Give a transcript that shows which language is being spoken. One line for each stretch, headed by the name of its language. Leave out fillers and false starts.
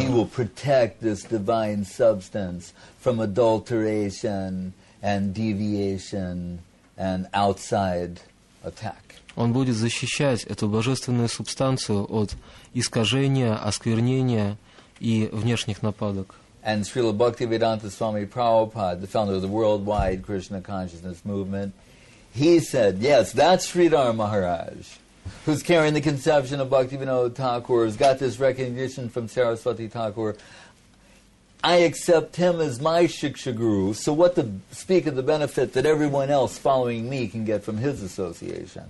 English: And he will protect this divine substance from adulteration and deviation and outside attack.
Russian: Он будет защищать эту божественную субстанцию от искажения, осквернения и внешних нападок.
English: And Srila Bhaktivedanta Swami Prabhupada, the founder of the worldwide Krishna consciousness movement, he said, yes, that's Sridhar Maharaj, who's carrying the conception of Bhaktivinoda Thakur, who's got this recognition from Saraswati Thakur. I accept him as my Shiksha Guru, so what to speak of the benefit that everyone else following me can get from his association?